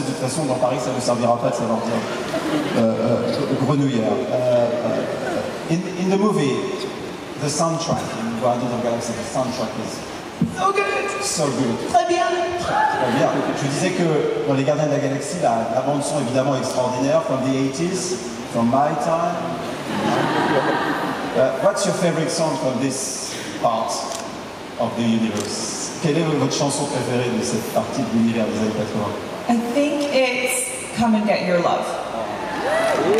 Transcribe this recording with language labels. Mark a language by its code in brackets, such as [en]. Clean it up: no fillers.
[fr] De toute façon, dans Paris, ça ne servira pas de savoir dire Grenouillère. [en] In the movie, the soundtrack in Guardians of the Galaxy, the soundtrack is so good. So good. [fr] Très bien. Je disais que dans les Gardiens de la Galaxie, la bande son évidemment extraordinaire, [en] from the 80s, from my time. What's your favorite song from this part of the universe? [fr] Quelle est votre chanson préférée de cette partie de l'univers des années 80? [en] I think it's Come and Get Your Love.